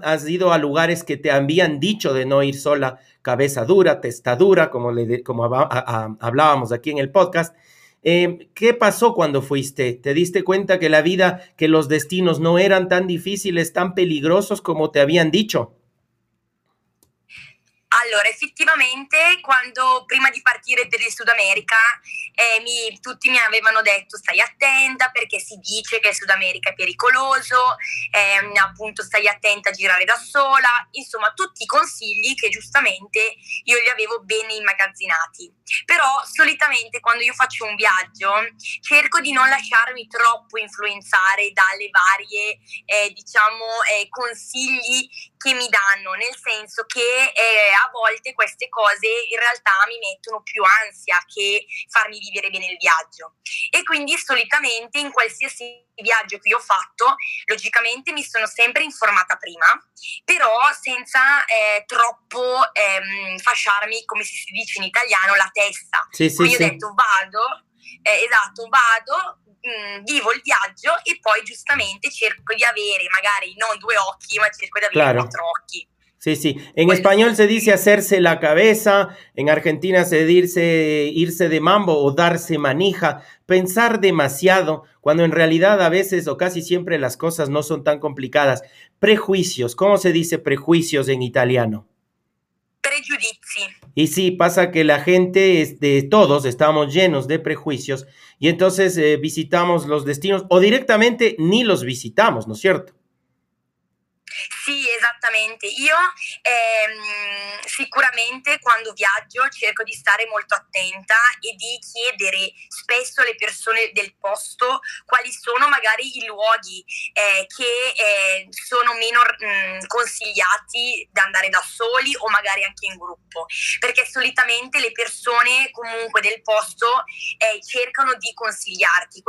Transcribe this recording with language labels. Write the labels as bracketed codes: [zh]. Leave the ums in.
[es] ¿Has ido a lugares que te habían dicho de no ir sola? Cabeza dura, testadura, como, le de, como a, a, hablábamos aquí en el podcast. Eh, ¿Qué pasó cuando fuiste? ¿Te diste cuenta que la vida, que los destinos no eran tan difíciles, tan peligrosos como te habían dicho? [it] Allora, effettivamente, quando prima di partire per il Sud America, eh, mi, tutti mi avevano detto stai attenta perché si dice che il Sud America è pericoloso, eh, appunto stai attenta a girare da sola, insomma tutti i consigli che giustamente io li avevo bene immagazzinati. Però solitamente quando io faccio un viaggio cerco di non lasciarmi troppo influenzare dalle varie, eh, diciamo, consigli che mi danno, nel senso che a volte queste cose in realtà mi mettono più ansia che farmi vivere bene il viaggio. E quindi solitamente in qualsiasi viaggio che io ho fatto, logicamente mi sono sempre informata prima, però senza eh, troppo ehm, fasciarmi, come si dice in italiano, la testa. Sì, sì, quindi sì. ho detto vado, eh, esatto, vado, mh, vivo il viaggio e poi giustamente cerco di avere magari non due occhi, ma cerco di avere [es] Claro. [it] quattro occhi. [es] Sí, sí. En español se dice hacerse la cabeza, en Argentina se dice irse de mambo o darse manija, pensar demasiado, cuando en realidad a veces o casi siempre las cosas no son tan complicadas. Prejuicios, ¿cómo se dice prejuicios en italiano? [it] Pregiudizi. [es] Y sí, pasa que la gente, este, todos estamos llenos de prejuicios y entonces eh, visitamos los destinos o directamente ni los visitamos, ¿no es cierto? [it] Sì, esattamente. Io ehm, sicuramente quando viaggio cerco di stare molto attenta e di chiedere spesso alle persone del posto quali sono magari i luoghi eh, che eh, sono meno mh, consigliati da andare da soli o magari anche in gruppo, perché solitamente le persone comunque del posto eh, cercano di consigliarti.